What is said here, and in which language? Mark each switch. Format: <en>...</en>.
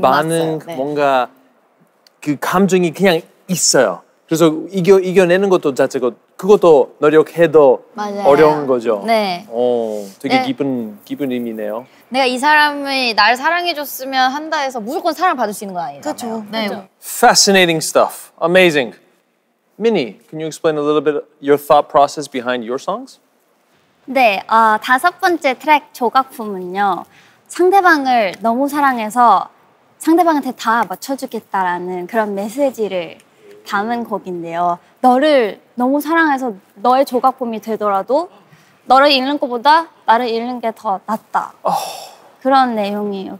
<ko>많은 네. 뭔가 그 감정이 그냥 있어요. 그래서 이겨내는 것도 자체가 그것도 노력해도 맞아요. 어려운 거죠. 네. 되게 네. 기쁜 의미네요. 내가 이 사람이 날 사랑해줬으면 한다 해서 무조건 사랑 받을 수 있는 거 아니에요? 그렇죠. 네.</ko> <en>Fascinating stuff. Amazing. Minnie, can you explain a little bit your thought process behind your songs?</en> <ko>네, 다섯 번째 트랙 조각품은요. 상대방을 너무 사랑해서 상대방한테 다 맞춰주겠다라는 그런 메시지를 담은 곡인데요. 너를 너무 사랑해서 너의 조각품이 되더라도 너를 잃는 것보다 나를 잃는 게 더 낫다. 그런 내용이에요.</ko>